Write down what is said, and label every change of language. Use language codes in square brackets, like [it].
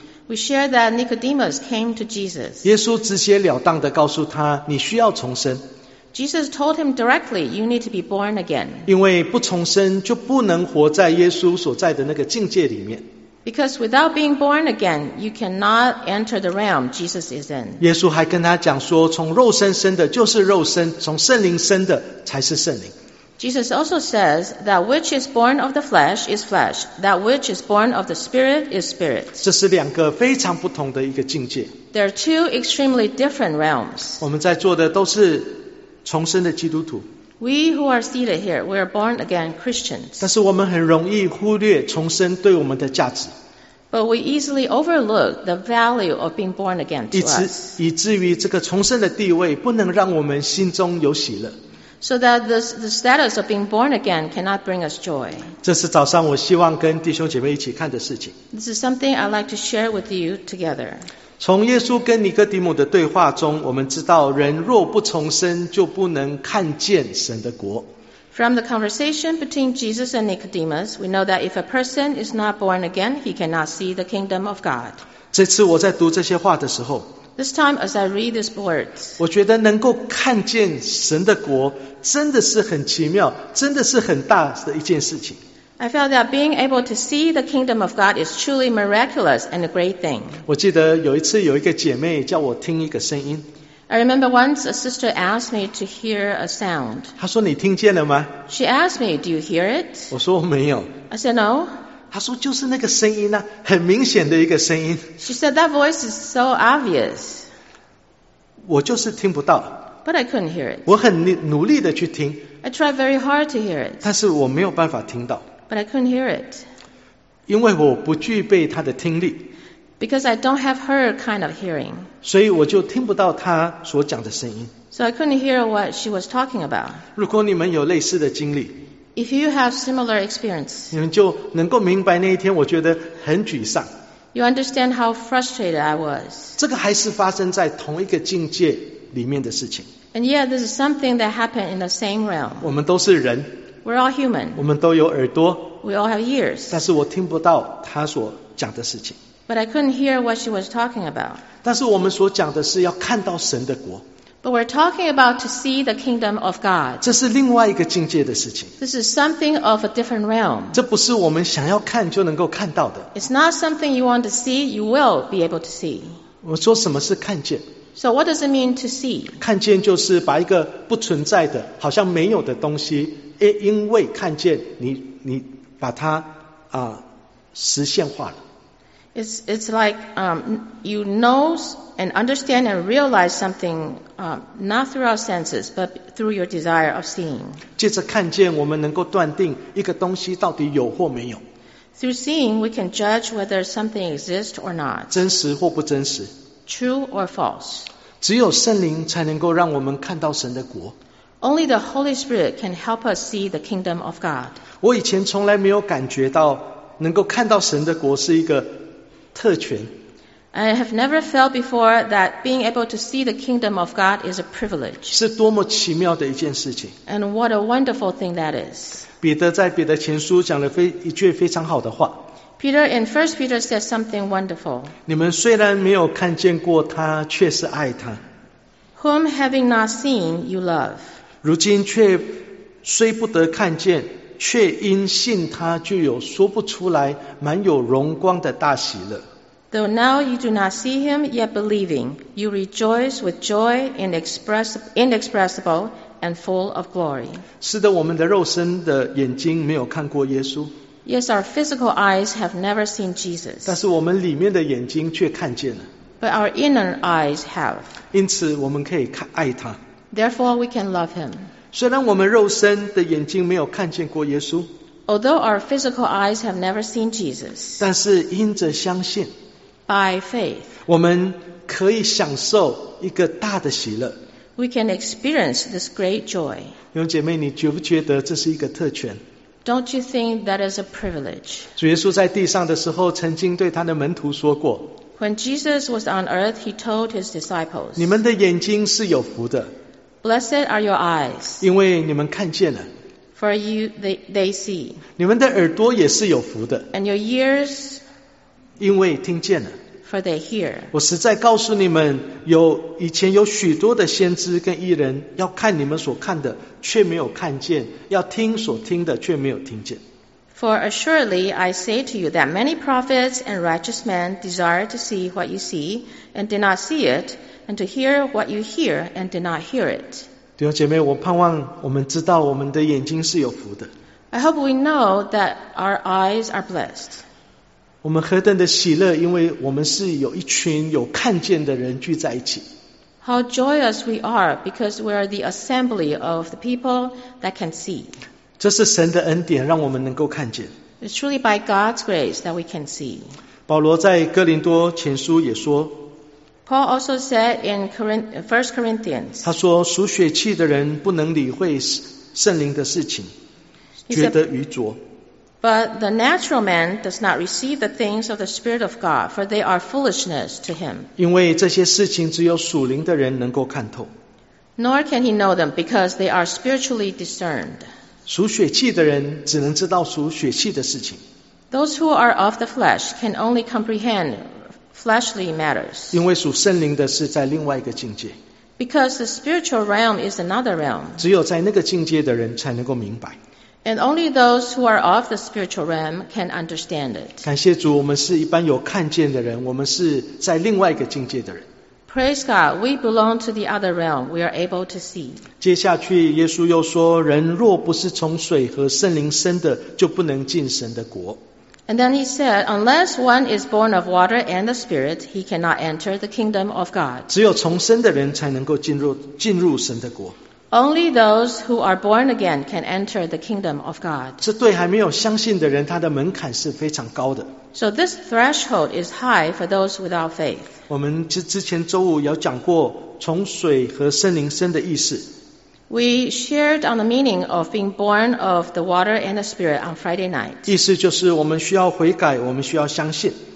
[en] We share that Nicodemus came to Jesus. [zh] 耶稣直截了当地告诉他，你需要重生。 [en] Jesus told him directly, you need to be born again. [zh] 因为不重生就不能活在耶稣所在的那个境界里面。 [en] Because without being born again, you cannot enter the realm Jesus is in. [zh] 耶稣还跟他讲说，从肉身生的就是肉身，从圣灵生的才是圣灵。 [en] Jesus also says that which is born of the flesh is flesh, that which is born of the spirit is spirit. [zh] 这是两个非常不同的一个境界。 [en] There are two extremely different realms. [zh] 我们在座的都是重生的基督徒。 [en] We who are seated here, we are born again Christians. [zh] 但是我们很容易忽略重生对我们的价值。 [en] But we easily overlook the value of being born again to us. [zh] 以至于这个重生的地位不能让我们心中有喜乐。 [en] So that the status of being born again cannot bring us joy. [zh] 这是早上我希望跟弟兄姐妹一起看的事情。 [en] This is something I'd like to share with you together. [zh] 从耶稣跟尼哥底母的对话中，我们知道人若不重生，就不能看见神的国。 [en] From the conversation between Jesus and Nicodemus, we know that if a person is not born again, he cannot see the kingdom of God. [zh] 这次我在读这些话的时候， [en] This time, as I read these words, [zh] 我觉得能够看见神的国真的是很奇妙，真的是很大的一件事情。 [en] I felt that being able to see the kingdom of God is truly miraculous and a great thing. [zh] 我记得有一次有一个姐妹叫我听一个声音。 [en] I remember once a sister asked me to hear a sound. [zh] 她说你听见了吗？ [en] She asked me, "Do you hear it?" [zh] 我说我没有。 [en] I said no. [zh] 他说就是那个声音啊，很明显的一个声音。 [en] She said that voice is so obvious. [zh] 我就是听不到。 [en] But I couldn't hear it. [zh] 我很努力的去听。 [en] I tried very hard to hear it. [zh] 但是我没有办法听到。 [en] But I couldn't hear it. [zh] 因为我不具备他的听力。 [en] Because I don't have her kind of hearing. [zh] 所以我就听不到他所讲的声音。 [en] So I couldn't hear what she was talking about. [zh] 如果你们有类似的经历， [en] If you have similar experience, [zh] 你们就能够明白那一天我觉得很沮丧。 [en] You understand how frustrated I was. [zh] 这个还是发生在同一个境界里面的事情。 [en] And yet, this is something that happened in the same realm. [zh] 我们都是人。 [en] We're all human. [zh] 我们都有耳朵。 [en] We all have ears. [zh] 但是我听不到他所讲的事情。 [en] But I couldn't hear what she was talking about. [zh] 但是我们所讲的是要看到神的国。 [en] But we're talking about to see the kingdom of God. [zh] 这是另外一个境界的事情。 [en] This is something of a different realm. [zh] 这不是我们想要看就能够看到的。 [en] It's not something you want to see, you will be able to see. [zh] 我说什么是看见？ [en] So what does it mean to see? [zh] 看见就是把一个不存在的，好像没有的东西，因为看见你把它实现化了。 [en] It's like you know and understand and realize something not through our senses, but through your desire of seeing. [zh] 借着看见，我们能够断定一个东西到底有或没有。 [en] Through seeing, we can judge whether something exists or not. [zh] 真实或不真实。 [en] True or false. [zh] 只有圣灵才能够让我们看到神的国。 [en] Only the Holy Spirit can help us see the kingdom of God. [zh] 我以前从来没有感觉到能够看到神的国是一个特权。 [en] I have never felt before that being able to see the kingdom of God is a privilege. [zh] 是多么奇妙的一件事情。 [en] And what a wonderful thing that is. [zh] 彼得在彼得前书讲了一句非常好的话。 [en] Peter in 1 Peter says something wonderful. [zh] 你们虽然没有看见过他，却是爱他。 [en] Whom having not seen, you love. [zh] 如今却虽不得看见，却因信他就有说不出来满有荣光的大喜乐。 [en] Though now you do not see him, yet believing, you rejoice with joy inexpressible and full of glory. [zh] 是的，我们的肉身的眼睛没有看过耶稣。 [en] Yes, our physical eyes have never seen Jesus. [zh] 但是我们里面的眼睛却看见了。 [en] But our inner eyes have. [zh] 因此我们可以爱他。 [en] Therefore, we can love him. [zh] 虽然我们肉身的眼睛没有看见过耶稣。 [en] Although our physical eyes have never seen Jesus. [zh] 但是因着相信。 [en] By faith, [zh] 我们可以享受一个大的喜乐。 [en] We can experience this great joy. [zh] 弟兄姐妹，你觉不觉得这是一个特权？ [en] Don't you think that is a privilege? [zh] 主耶稣在地上的时候，曾经对他的门徒说过。 [en] When Jesus was on earth, he told his disciples. [zh] 你们的眼睛是有福的。 [en] Blessed are your eyes. [zh] 因为你们看见了。 [en] For you, they see. [zh] 你们的耳朵也是有福的。 [en] And your ears. [zh] 因为听见了。 [en] For they hear. [zh] 我实在告诉你们，有以前有许多的先知跟义人，要看你们所看的，却没有看见；要听所听的，却没有听见。 [en] For assuredly I say to you that many prophets and righteous men desire to see what you see and did not see it, and to hear what you hear and did not hear it. [zh] 弟兄姐妹，我盼望我们知道我们的眼睛是有福的。 [en] I hope we know that our eyes are blessed. [zh] 我们何等的喜乐，因为我们是有一群有看见的人聚在一起。 [en] How joyous we are because we are the assembly of the people that can see. [zh] 这是神的恩典，让我们能够看见。 [en] It's truly by God's grace that we can see. [zh] 保罗在哥林多前书也说。 [en] Paul also said in 1 Corinthians. [zh] 他说属血气的人不能理会圣灵的事情，觉得愚拙。 [en] But the natural man does not receive the things of the Spirit of God, for they are foolishness to him. [zh] 因为这些事情只有属灵的人能够看透。 [en] Nor can he know them, because they are spiritually discerned. [zh] 属血气的人只能知道属血气的事情。 [en] Those who are of the flesh can only comprehend fleshly matters. [zh] 因为属圣灵的是在另外一个境界。 [en] Because the spiritual realm is another realm. [zh] 只有在那个境界的人才能够明白。 [en] And only those who are of the spiritual realm can understand it. [zh] 感谢主，我们是一般有看见的人，我们是在另外一个境界的人。 [en] Praise God, we belong to the other realm. We are able to see. [zh] 接下去，耶稣又说，人若不是从水和圣灵生的，就不能进神的国。 [en] And then he said, unless one is born of water and the Spirit, he cannot enter the kingdom of God. [zh] 只有重生的人才能够进入神的国。 [en] Only those who are born again can enter the kingdom of God. [zh] 这对还没有相信的人，他的门槛是非常高的。 [en] So this threshold is high for those without faith. [zh] 我们之前周五有讲过从水和圣灵生的意思。 [en] We shared on the meaning of being born of the water and the Spirit on Friday night. [zh] 意思就是我们需要悔改，我们需要相信。